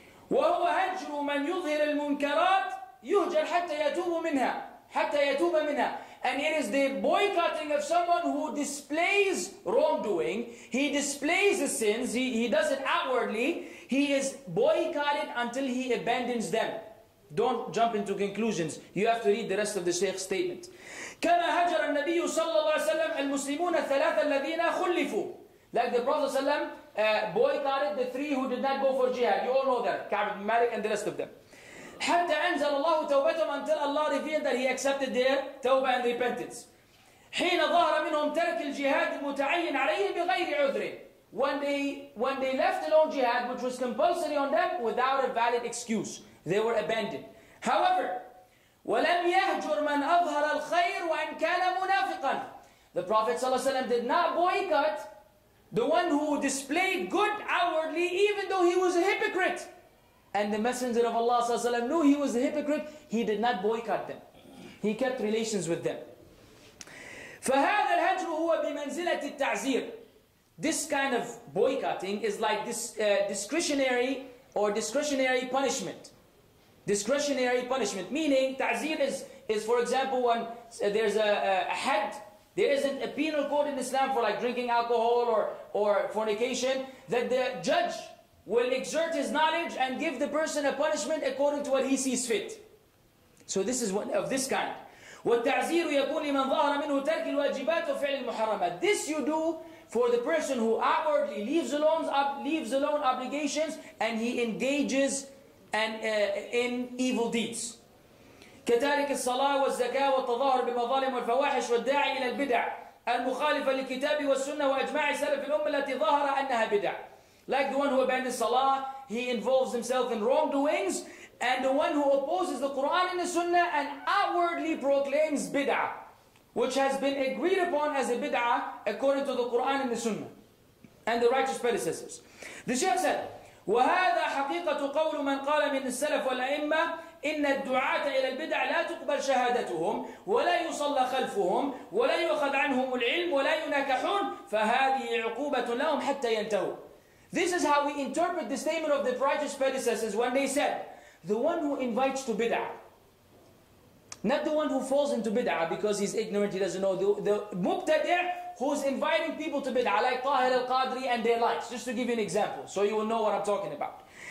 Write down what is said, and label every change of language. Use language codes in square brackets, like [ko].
[ar] وهو هجر من يظهر المنكرات يهجر حتى يتوب منها حتى يتوب منها. [en] And it is the boycotting of someone who displays wrongdoing, he displays the sins, he does it outwardly, he is boycotted until he abandons them. Don't jump into conclusions. You have to read the rest of the Shaykh's statement. [ar] كما هجر النبي صلى الله عليه وسلم المسلمون الثلاثة الذين خلفوا. [en] Like the Prophet ﷺ boycotted the three who did not go for jihad. You all know that. Ka'b ibn Malik and the rest of them. [ar] حتى أنزل الله توبتهم [en] until Allah revealed that he accepted their tawbah and repentance. [ar] حين ظهر منهم ترك الجهاد المتعين عليه بغير عذر. [en] When they left alone jihad, which was compulsory on them, without a valid excuse, they were abandoned. [ar] However, ولم يهجر من أظهر الخير وإن كان منافقا. [en] The Prophet [ar] صلى الله عليه وسلم [en] did not boycott the one who displayed good outwardly, even though he was a hypocrite. And the Messenger of Allah sallallahu alaihi wasallam knew he was a hypocrite. He did not boycott them. He kept relations with them. [ar] فهذا الهجر هو بمنزلة التعزير. [en] This kind of boycotting is like this discretionary punishment. Discretionary punishment meaning تعزير is for example when there's a head. There isn't a penal code in Islam for like drinking alcohol or fornication, that the judge will exert his knowledge and give the person a punishment according to what he sees fit. So this is one of this kind. [ar] والتعزير يكون لمن ظهر منه ترك الواجبات وفعل المحرمات. [en] This you do for the person who outwardly leaves alone obligations and he engages in evil deeds. [ar] كتارك الصلاة والزكاة والتظاهر بالمظالم والفواحش والداعي إلى البدع المخالفة للكتاب والسنة وأجماع سلف الأمة التي ظهر أنها بدع. [en] Like the one who abandons Salah, he involves himself in wrongdoings, and the one who opposes the Quran and the Sunnah and outwardly proclaims bid'ah, which has been agreed upon as a bid'ah according to the Quran and the Sunnah and the righteous predecessors. The Shaykh said, [ar] وهذا حقيقة قول من قال من السلف والأئمة إن الدعاة إلى البدع لا تقبل شهادتهم ولا يصلى خلفهم ولا يؤخذ عنهم العلم ولا ينكحون فهذه عقوبة لهم حتى ينتهوا. [en] This is how we interpret the statement of the righteous predecessors when they said, the one who invites to bid'ah, not the one who falls into bid'ah because he's ignorant, he doesn't know, the mubtadi' who's inviting people to bid'ah, like Tahir al-Qadri and their likes, just to give you an example, so you will know what I'm talking about.